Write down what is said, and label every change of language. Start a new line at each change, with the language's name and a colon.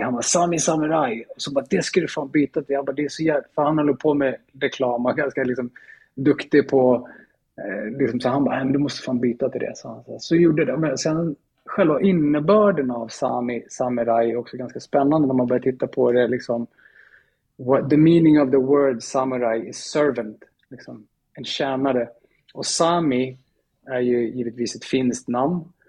Swedish: Han bara, sami samuraj. Och så bara, det ska du fan byta till. Jag bara, det är så jävligt. För han håller på med reklam och ganska liksom duktig på liksom, så han bara, du måste fan byta till det. Så gjorde det. Men sen själva innebörden av samurai är också ganska spännande när man börjar titta på det. Liksom,
English: the meaning of the word samurai is servant.
Swedish: Liksom, en tjänare. Och sami är ju givetvis ett finskt namn.